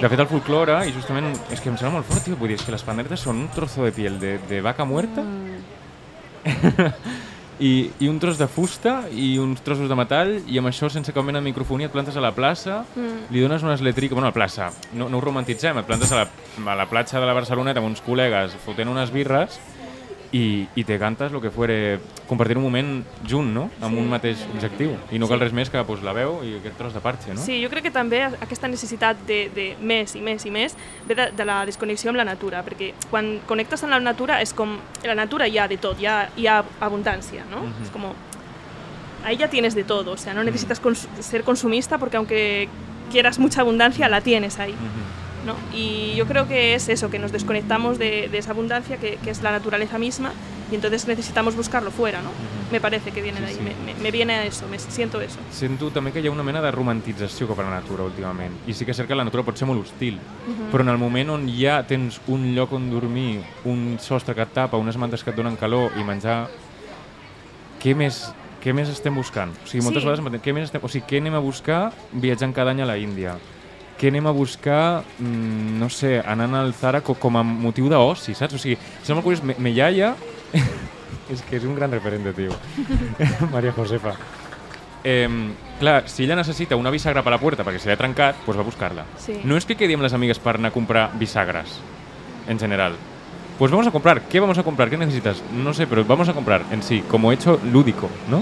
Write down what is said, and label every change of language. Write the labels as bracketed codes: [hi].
[ca] De fet, el folclore, i justament, és que em sembla molt fort, tio, vull dir, és que les panderetes són [es] un trozo de piel de vaca muerta [ca] i un tros de fusta i uns trossos de metall, i amb això, sense cap mena de microfonia, et plantes a la plaça, li dones unes letriques, bueno, a la plaça, no ho romantitzem, et plantes a la platja de la Barceloneta amb uns col·legues fotent unes birres i te cantes [es] lo que fuere, [ca] compartir un moment junt, no? Amb un mateix objectiu. I no cal res més que pues, la veu i aquest tros de parche, no? Sí, jo crec que també aquesta necessitat de més i més i més ve de la desconnexió amb la natura, perquè quan connectes amb la natura és com... La natura hi ha de tot, hi ha abundància, no? És com... [es] Ahí ya tienes de todo, o sea, no necesitas ser consumista porque aunque quieras mucha abundancia, la tienes ahí. ¿No? Y yo creo que es eso, que nos desconectamos de esa abundancia que es la naturaleza misma y entonces necesitamos buscarlo fuera, ¿no? Me parece que viene de ahí, me viene a eso, me siento eso. [ca] Sento també que hi ha una mena de romantització cap a la natura últimament, i sí que és cert que la natura pot ser molt hostil, però en el moment on ja tens un lloc on dormir, un sostre que et tapa, unes mantes que et donen calor i menjar, què més estem buscant? O sigui, moltes vegades què més estem... O sigui, què anem a buscar viatjant cada any a l'Índia? Què anem a buscar, no sé, anant al Zara com a motiu d'oci, saps? O sigui, sembla curiós, me iaia... és que és un gran referent, tio. Maria Josefa. Clar, si ella necessita una bisagra per la puerta perquè se l'ha trencat, doncs va a buscar-la. Sí. No és que quedi amb les amigues per anar a comprar bisagres, en general. [es] Pues vamos a comprar. ¿Qué vamos a comprar? ¿Qué necesitas? No sé, pero vamos a comprar en sí, como hecho lúdico, ¿no?